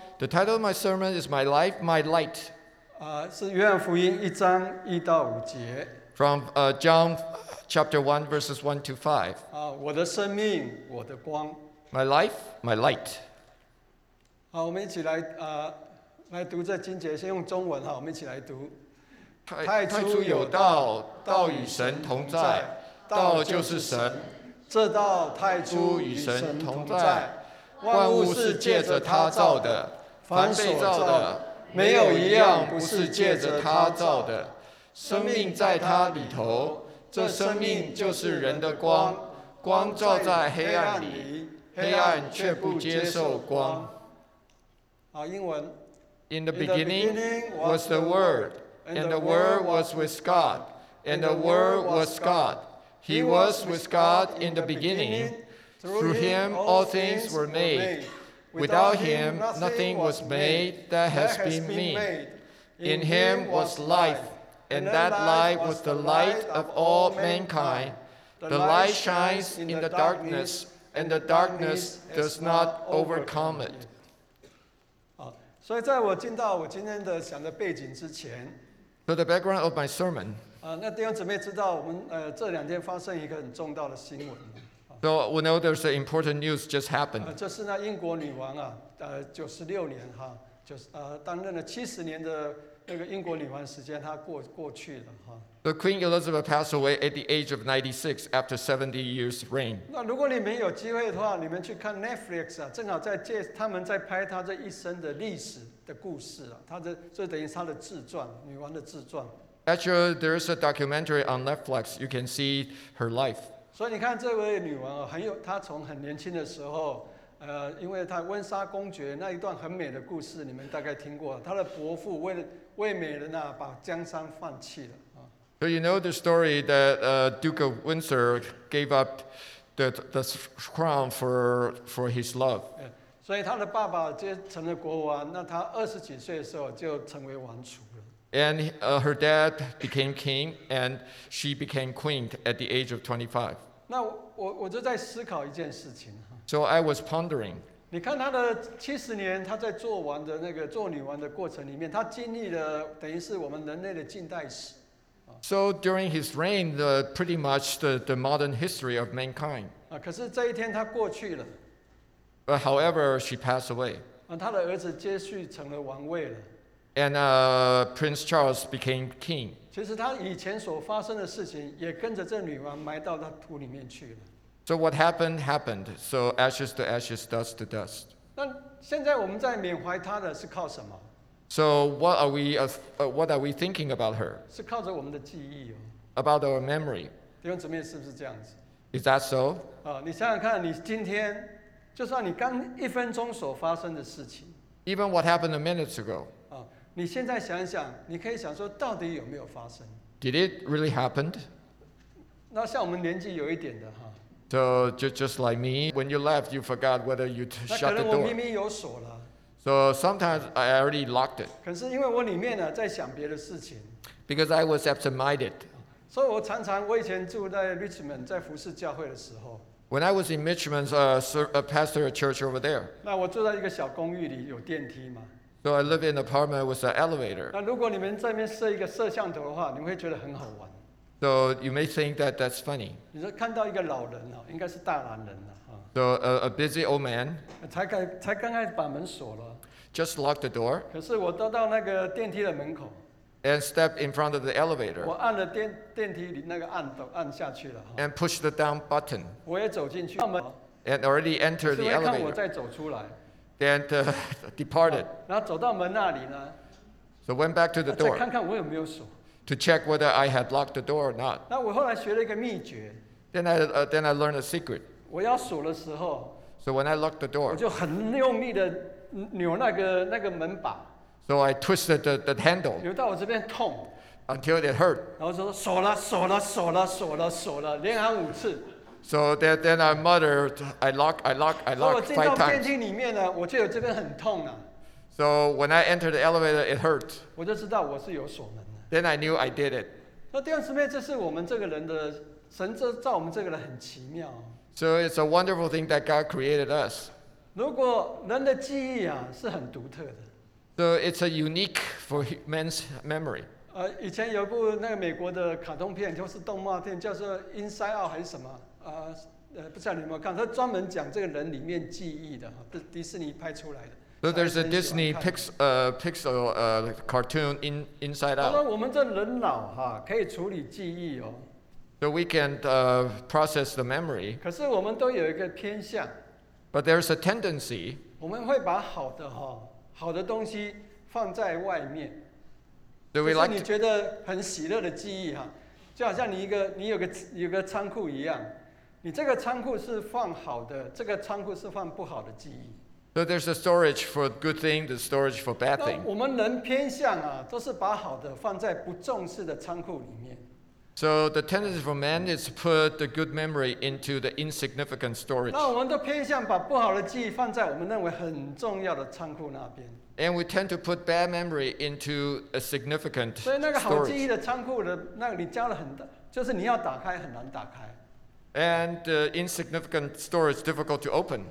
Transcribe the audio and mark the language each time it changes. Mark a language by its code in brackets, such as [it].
[en] The title of my sermon is My Life, My Light. [zh] 是约翰福音一章一到五节。 [en] From John chapter 1 verses 1 to 5. [zh] 我的生命，我的光。 [en] My Life, My Light. [zh] 好，我们一起来来读这经节，先用中文哈，我们一起来读。太初有道，道与神同在，道就是神。这道太初与神同在，万物是借着他造的，凡被造的没有一样不是借着他造的。生命在他里头，这生命就是人的光，光照在黑暗里，黑暗却不接受光。好，英文。 [en] In the beginning was the Word, and the Word was with God, and the Word was God. He was with God in the beginning. Through him all things were made. Without him nothing was made that has been made. In him was life, and that light was the light of all mankind. The light shines in the darkness, and the darkness does not overcome it. [zh] 好，所以在我进到我今天的讲的背景之前， [en] So the background of my sermon. [zh] 那弟兄姊妹知道我们这两天发生一个很重大的新闻。 [en] So we know there's an important news just happened. [zh] 就是那英国女王啊，96年哈，就是担任了70年的那个英国女王时间，她过去了哈。 [en] The Queen Elizabeth passed away at the age of 96 after 70 years reign. [zh] 那如果你们有机会的话，你们去看 Netflix 啊，正好在借他们在拍她这一生的历史的故事啊，她的就等于她的自传，女王的自传。 [en] Actually, there is a documentary on Netflix. You can see her life. So you can see this woman, she was very young, because of her Windsor公爵, that is a very beautiful story you have probably heard. Her husband, for the beauty, left the Yangtze. So you know the story that Duke of Windsor gave up the crown for his love. So his father became the king, and he was 20 years old. And her dad became king, and she became queen at the age of 25. [zh] 那我就在思考一件事情。 [en] So I was pondering. [zh] 你看她的70年，她在做完的那个做女王的过程里面，她经历了等于是我们人类的近代史。 [en] So during his reign, pretty much the modern history of mankind. [zh] 可是这一天她过去了。 [en] But however, she passed away. [zh] 她的儿子接续成了王位了。 [en] And Prince Charles became king. [zh] 其实他以前所发生的事情也跟着这女王埋到他土里面去了。 [en] So what happened happened. So ashes to ashes, dust to dust. [zh] 那现在我们在缅怀他的是靠什么？ [en] So what are we what are we thinking about her? [zh] 是靠着我们的记忆哦。 [en] About our memory. [zh] 弟兄姊妹是不是这样子？ [en] Is that so? [zh] 你想想看，你今天就算你刚一分钟所发生的事情。 [en] Even what happened a minute ago. [zh] 你现在想想，你可以想说，到底有没有发生 [en] ？Did it really happened？ [zh] 那像我们年纪有一点的哈。 [en] So just like me, when you left, you forgot whether you shut the door. [zh] 那可能我明明有锁了。 [en] So sometimes I already locked it. [zh] 可是因为我里面呢，在想别的事情。 [en] Because I was absent-minded. [zh] 所以我常常，我以前住在 Richmond， 在服侍教会的时候。 [en] When I was in Richmond, a pastor a church over there. [zh] 那我住在一个小公寓里，有电梯吗？ [en] So I live in an apartment with an elevator. [zh] 那如果你们在那边设一个摄像头的话，你会觉得很好玩。 [en] So you may think that that's funny. [zh] 你说看到一个老人哦，应该是大男人了 [en] 啊。So a busy old man. [zh] 才刚刚把门锁了。 [en] Just locked the door. [zh] 可是我到那个电梯的门口。 [en] And step in front of the elevator. [zh] 我按了电梯里那个按下去了。 [en] And push the down button. [zh] 我也走进去。 [en] And already enter the elevator. [zh] 看我再走出来。 [en] Then departed. [zh] 然后走到门那里呢。 [en] So went back to the door. [zh] 再看看我有没有锁。 [en] To check whether I had locked the door or not. [zh] 那我后来学了一个秘诀。 [en] Then I learned a secret. [zh] 我要锁的时候。 [en] So when I locked the door. [zh] 我就很用力的扭那个门把。 [en] So I twisted the handle. [zh] 扭到我这边痛。 [en] Until it hurt. [zh] 然后说锁了，连喊五次。 [en] So then I muttered, I lock five times. [zh] 我进到电梯里面呢，我就有这边很痛啊。 [en] So when I entered the elevator, it hurt. [zh] 我就知道我是有锁门的。 [en] Then I knew I did it. [zh] 那弟兄姊妹，这是我们这个人的神造我们这个人很奇妙。 [en] So it's a wonderful thing that God created us. [zh] 如果人的记忆啊是很独特的。 [en] So it's a unique for man's memory. [zh] 以前有部那个美国的卡通片，就是动画片，叫做 Inside Out 还是什么？不知道你有没有看？它专门讲这个人里面记忆的，是迪士尼拍出来的。 [en] So there's a Disney Pixel cartoon Inside Out. [zh] 他说我们这人脑哈可以处理记忆哦。 [en] So we can process the memory. [zh] 可是我们都有一个偏向。 [en] But there's a tendency. [zh] 我们会把好的哈。好的东西放在外面，就是你觉得很喜乐的记忆哈，就好像你有个仓库一样，你这个仓库是放好的，这个仓库是放不好的记忆。 [en] So there's a storage for good things, the storage for bad things. [zh] 我们人偏向啊，都是把好的放在不重视的仓库里面。 [en] So the tendency for man is to put the good memory into the insignificant storage. [zh] 那我们都偏向把不好的记忆放在我们认为很重要的仓库那边。 [en] And we tend to put bad memory into a significant storage. [zh] 所以那个好记忆的仓库的，那你加了很大，就是你要打开很难打开。 [en] And the insignificant storage is difficult to open.